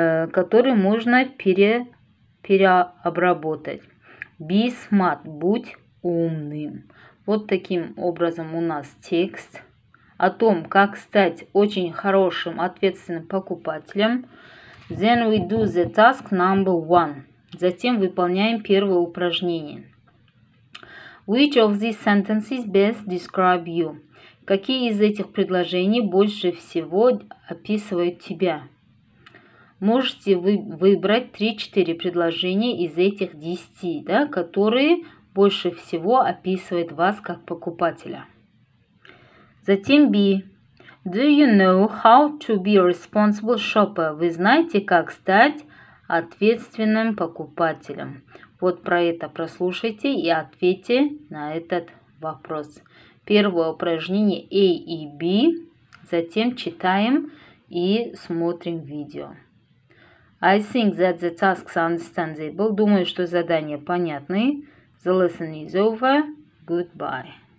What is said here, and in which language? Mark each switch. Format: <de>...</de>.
<ru>Которые можно переобработать.</ru> <en>Be smart,</en> <ru>будь умным. Вот таким образом у нас текст о том, как стать очень хорошим, ответственным покупателем.</ru> <en>Then we do the task number one.</en> <ru>Затем выполняем первое упражнение.</ru> <en>Which of these sentences best describe you?</en> <ru>Какие из этих предложений больше всего описывают тебя? Можете вы выбрать 3-4 предложения из этих 10, да, которые больше всего описывают вас как покупателя. Затем B.</ru> <en>Do you know how to be a responsible shopper?</en> <ru>Вы знаете, как стать ответственным покупателем? Вот про это прослушайте и ответьте на этот вопрос. Первое упражнение A и B. Затем читаем и смотрим видео.</ru> <en>I think that the tasks are understandable.</en> <ru>Думаю, что задания понятны.</ru> <en>The lesson is over. Goodbye.</en>